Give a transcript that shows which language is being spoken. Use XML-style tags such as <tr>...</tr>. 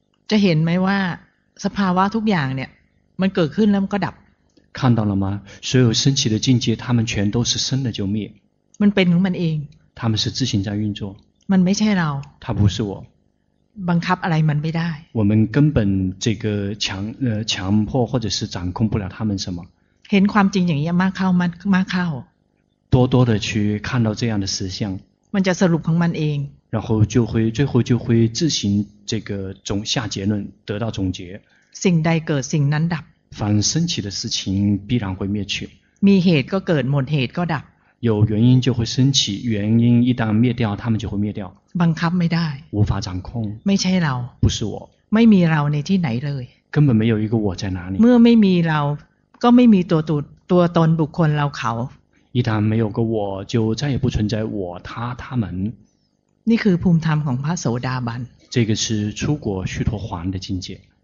<th>จะเห็นไหมว่าสภาวะทุกอย่างเนี่ยมันเกิดขึ้นแล้วมันก็ดับ</th> <zh>看到了吗所有升起的境界他们全都是生的就灭</zh> <th>มันเป็นของมันเอง</th> <zh>他们是自行在运作</zh> <th>มันไม่ใช่เรา</th> <zh>他不是我</zh> <th>บังคับอะไรมันไม่ได้</th> <zh>我们根本这个强迫或者是掌控不了他们什么</zh> <th>เห็นความจริงอย่างนี้มากเข้ามันมากเข้า</th> <zh>多多的去看到这样的实相</zh> <th>มันจะสรุปของมันเอง</th> <zh>然后就会最后就会自行这个总下结论得到总结</zh> <th>สิ่งใดเกิดสิ่งนั้นดับ</th> <zh>凡升起的事情必然会灭去</zh> <th>มีเหตุก็เกิดหมดเหตุก็ดับ</th> <zh>有原因就会升起原因一旦灭掉他们就会灭掉</zh> <th>บังคับไม่ได้</th> <zh>无法掌控</zh> <th>ไม่ใช่เรา</th> <zh>不是我</zh> <th>ไม่มีเราในที่ไหนเลย</th> <zh>根本没有一个我在哪里</zh> <th>เมื่อไม่มีเราก็ไม่มีตัวตนบุคคลเราเขา</th> <zh>一旦没有个我就再也不存在我他他们</zh> <th>นี่คือภูมิธรรมของพระโสดาบัน</th> <zh>这个是出果须陀洹的境界。</zh>